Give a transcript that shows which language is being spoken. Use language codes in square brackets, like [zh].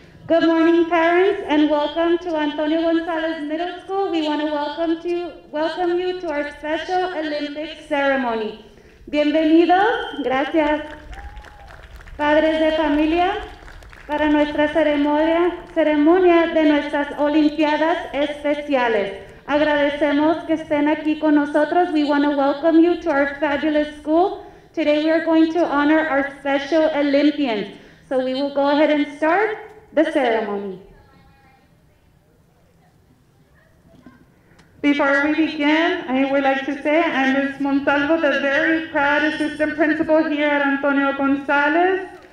[en] Good morning, parents, and welcome to Antonio Gonzalez Middle School. We want to welcome you to our special Olympic ceremony. [es] Bienvenidos, gracias. Padres de familia, para nuestra ceremonia de nuestras Olimpiadas Especiales. Agradecemos que estén aquí con nosotros. [en] We want to welcome you to our fabulous school. Today we are going to honor our special Olympians. So we will go ahead and start the ceremony. Before we begin, I would like to say I'm Ms. Montalvo, the very proud assistant principal here at Antonio Gonzalez.